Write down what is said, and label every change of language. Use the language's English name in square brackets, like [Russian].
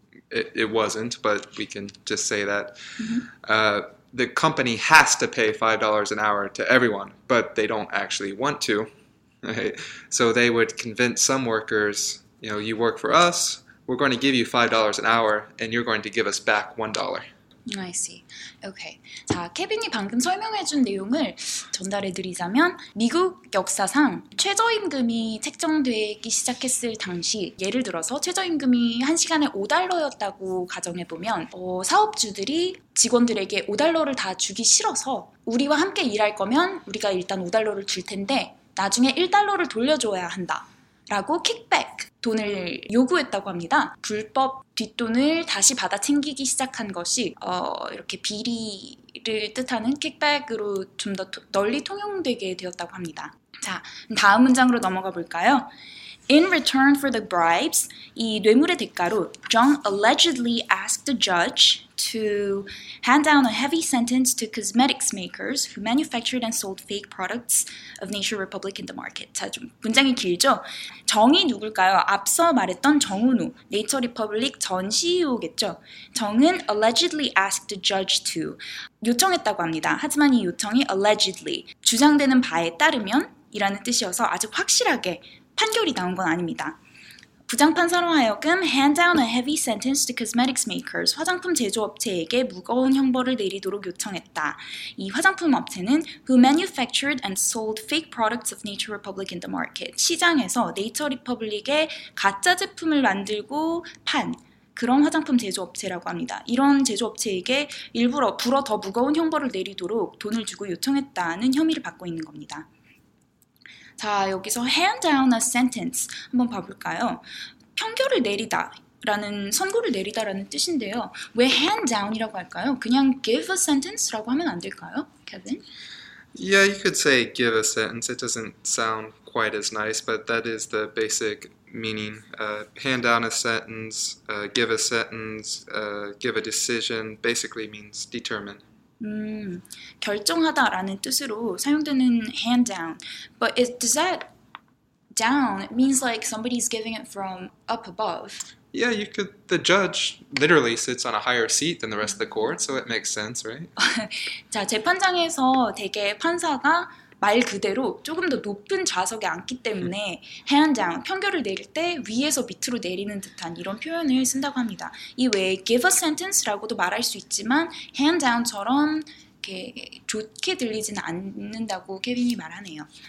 [English] it wasn't, but we can just say that. The company has to pay $5 an hour to everyone, but they don't actually want to. Right? So they would convince some workers, you know, you work for us, we're going to give you $5 an hour, and you're going to give us back $1. I see. Okay. [Korean] 자, 케빈이 방금 설명해준 내용을 전달해드리자면, 미국 역사상 최저임금이 책정되기 시작했을 당시, 예를 들어서 최저임금이 1시간에 5달러였다고 가정해보면, 사업주들이 직원들에게 5달러를 다 주기 싫어서, 우리와 함께 일할 거면 우리가 일단 5달러를 줄 텐데, 나중에 1달러를 돌려줘야 한다. 라고 킥백 돈을 요구했다고 합니다. 불법 뒷돈을 다시 받아 챙기기 시작한 것이 이렇게 비리를 뜻하는 킥백으로 좀 더 널리 통용되게 되었다고 합니다. 자, 다음 문장으로 넘어가 볼까요? [English] In return for the bribes, [Korean] 이 뇌물의 대가로 [English] John allegedly asked the judge to hand down a heavy sentence to cosmetics makers who manufactured and sold fake products of Nature Republic in the market. [Korean] 자, 좀 문장이 길죠? 정이 누굴까요? 앞서 말했던 정은우, 네이처 리퍼블릭 전 CEO겠죠? [English] 정은 allegedly asked the judge to [Korean] 요청했다고 합니다. 하지만 이 요청이 allegedly, 주장되는 바에 따르면 이라는 뜻이어서 아직 확실하게 판결이 나온 건 아닙니다. 부장판사로 하여금 [English] hand down a heavy sentence to cosmetics makers, [Korean] 화장품 제조업체에게 무거운 형벌을 내리도록 요청했다. 이 화장품 업체는 [English] who manufactured and sold fake products of Nature Republic in the market. [Korean] 시장에서 네이처 리퍼블릭의 가짜 제품을 만들고 판 그런 화장품 제조업체라고 합니다. 이런 제조업체에게 일부러 불어 더 무거운 형벌을 내리도록 돈을 주고 요청했다는 혐의를 받고 있는 겁니다. 자, 여기서 [English] hand down a sentence [Korean] 한번 봐볼까요? 판결을 내리다 라는 선고를 내리다 라는 뜻인데요. 왜 [English] hand down [Korean] 이라고 할까요? 그냥 [English] give a sentence [Korean] 라고 하면 안 될까요? Kevin? [English] Yeah, you could say give a sentence. It doesn't sound quite as nice, but that is the basic meaning. Hand down a sentence, give a sentence, give a decision basically means determine. [Korean] 결정하다라는 뜻으로 사용되는 [English] hand down. But is, does that down, it means like somebody's giving it from up above. Yeah, you could, the judge literally sits on a higher seat than the rest of the court, so it makes sense, right? [Korean] 자, 재판장에서 되게 판사가 말 그대로 조금 더 높은 좌석에 앉기 때문에 [English] hand down, [Korean] 판결을 내릴 때 위에서 밑으로 내리는 듯한 이런 표현을 쓴다고 합니다. 이 외에 [English] give a sentence [Korean] 라고도 말할 수 있지만 [English] hand down [Korean] 처럼 이렇게 좋게 들리지는 않는다고 케빈이 말하네요.